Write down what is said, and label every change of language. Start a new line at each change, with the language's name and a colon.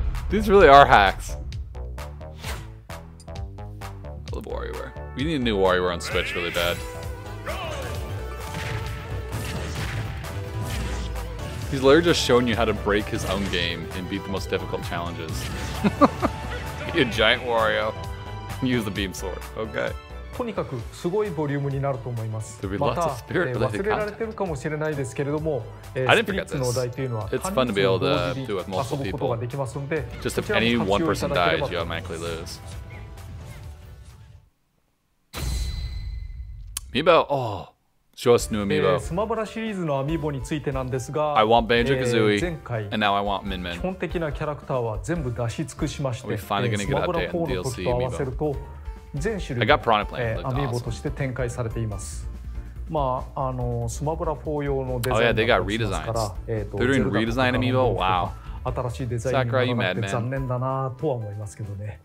English: These really are hacks. I love WarioWare. We need a new WarioWare on Switch really bad. He's literally just showing you how to break his own game and beat the most difficult challenges. Be a giant Wario. Use the beam sword. Okay.
Japanese: とにかくすごいボリュームになると思います。また、忘れられてるかもしれないですけれども、スピリッツのお題というのは、他人と同時に遊ぶことができますので、こちらも活用いただければと思います。
English: Just if any one person dies, you automatically lose. Amiibo, oh, show us new Amiibo.
Japanese: スマブラシリーズのアミーボについてなんですが、
English: I want Banjo-Kazooie, and now I want Min Min.
Japanese: 基本的なキャラクターは全部出し尽くしまして、スマブラ4の時と合わせると、全種類のアミーボとして展開されています。まあ、あのスマブラ4用のデザインだったりしますから、
English: They're doing redesign Amiibo? Wow.
Japanese: 新しいデザインになって残念だなとは思いますけどね。